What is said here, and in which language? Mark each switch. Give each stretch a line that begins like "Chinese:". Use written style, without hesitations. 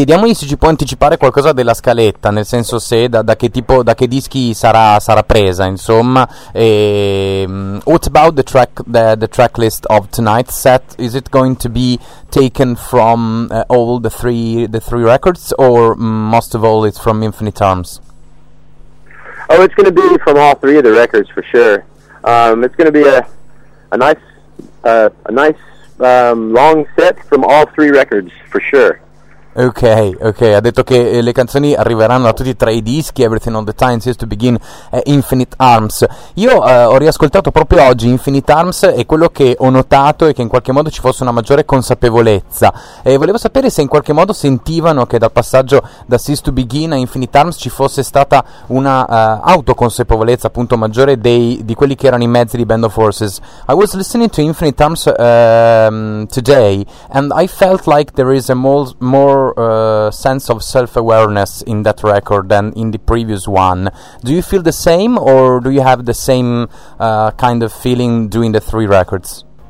Italian: Chiediamogli se ci può anticipare qualcosa della scaletta, nel senso se da che dischi sarà presa, insomma.
English: E, what about the track list of tonight's set? Is it going to be taken from all the three records, or most of all it's from Infinite Arms? Oh, it's going to be from all three of the records for sure. It's going to be a nice long set from all three records for sure. Okay.
Italian: Ha detto che le canzoni arriveranno da tutti e tre i dischi.
English: Everything on the Time Seems to Begin, Infinite Arms.
Italian: Io ho riascoltato proprio oggi Infinite Arms e quello che ho notato è che in qualche modo ci fosse una maggiore consapevolezza. E volevo sapere se in qualche modo sentivano che dal passaggio da Seems to Begin a Infinite Arms ci fosse stata una autoconsapevolezza appunto maggiore di quelli che erano i mezzi di Band of Horses.
English: I was listening to Infinite Arms today and I felt like there is a more sense of self-awareness in that record than in the previous one. Do you feel the same, or do you have the same kind of feeling doing the three records?